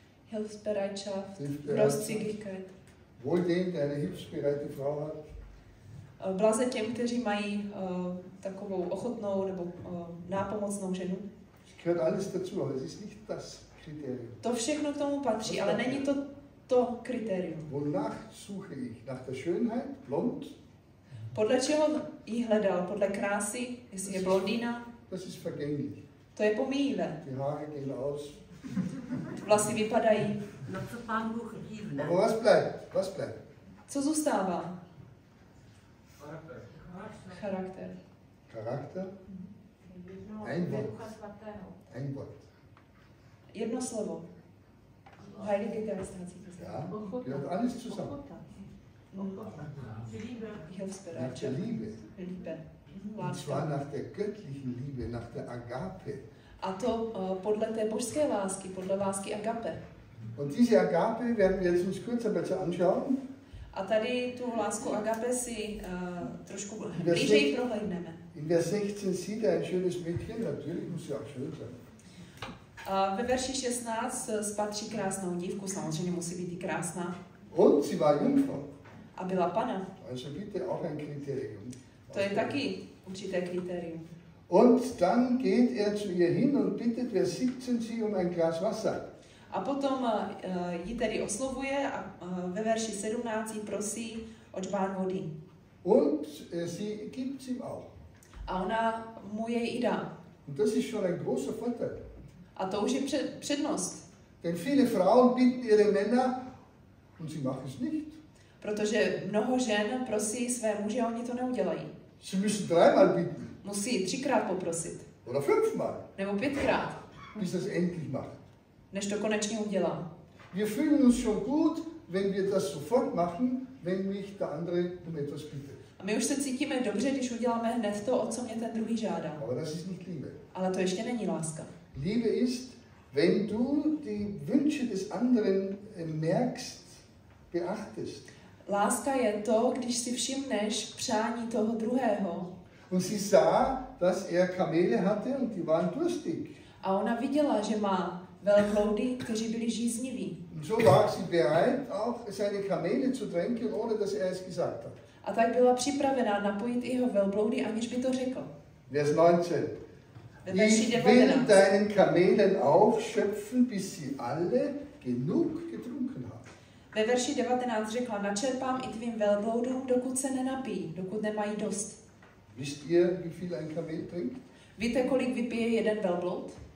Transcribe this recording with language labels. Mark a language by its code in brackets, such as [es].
[de] Hilfsbereitschaft, Großzügigkeit. Wohl dem, der eine hilfsbereite Frau hat. [cs] Blaze těm, kteří mají takovou ochotnou nebo nápomocnou ženu. [de] Es gehört alles dazu, aber es ist nicht das Kriterium. [cs] To všechno k tomu patří, ale není to to kritérium. [de] Wonach suche ich? Nach der Schönheit? Blond? [cs] Podle čeho jí hledal? Podle krásy? Jestli je blondýna? [de] Das ist vergänglich. [cs] To je pomíjivé. [de] Die Haare gehen aus. [cs] Vlasy vypadají. No co pán Bůh dívne? [de] Aber was bleibt? Was bleibt? [cs] Co zůstává? [de] Charakter. Charakter? Ein Wort. Ein Wort. [cs] Jedno slovo. [de] Heilige Geist. Ja, gehört alles zusammen. Nach der Liebe. Und zwar nach der göttlichen Liebe, nach der Agape. [cs] A to podle té božské lásky, podle lásky Agape. [de] Und diese Agape werden wir jetzt uns kurz ein bisschen anschauen. [cs] A tady tu lásku Agape si trošku blížej prohlédneme. [de] In Vers 16 sieht er ein schönes Mädchen, natürlich muss sie auch schön sein. [cs] Ve verši 16 spatří krásnou dívku, samozřejmě musí být i krásná. [de] Und sie war Jungfrau. [cs] A byla pana. [de] Also bitte auch ein Kriterium. [cs] To je taky určité kriterium. [de] Und dann geht zu ihr hin und bittet Vers 17 sie um ein Glas Wasser. [cs] A potom ji tedy oslovuje a ve verši 17 prosí o čbán vody. [de] Und sie gibt ihm auch. [cs] A ona mu jej i dá. [de] Und das ist schon ein großer Vorteil. [cs] A to už je přednost. [de] Denn viele Frauen bitten ihre Männer und sie machen es nicht. [cs] Protože mnoho žen prosí své muže, oni to neudělají. [de] Sie müssen dreimal bitten. [cs] Musí třikrát poprosit. [de] Oder fünfmal. [cs] Nebo pětkrát. [de] Bis das endlich macht. [cs] Než to konečně udělá. [de] Wir fühlen uns schon gut, wenn wir das sofort machen, wenn mich der andere um etwas bittet. [cs] A my už se cítíme dobře, když uděláme hned to, o co mě ten druhý žádá. [de] Aber das ist nicht Liebe. [cs] Ale to ještě není láska. [de] Liebe ist, wenn du die Wünsche des anderen merkst, beachtest. [cs] Láska je to, když si všimneš přání toho druhého. [de] Und sie sah, dass Kamele hatte und die waren durstig. [cs] A ona viděla, že má velbloudy, kteří byli žízniví. [de] Und so war sie bereit, auch seine Kamele zu trinken, ohne dass es gesagt hat. [cs] A tak byla připravená napojit jeho velbloudy, aniž by to řekl. [de] Vers 19. Ich will deinen Kamelen aufschöpfen, bis sie alle genug getrunken haben. [cs] Ve verši 19 řekla, načerpám i tvým velbloudům, dokud se nenapijí, dokud nemají dost. [de] Wisst ihr, wie viel ein Kamel trinkt? [cs] Víte, kolik vypije jeden velblud?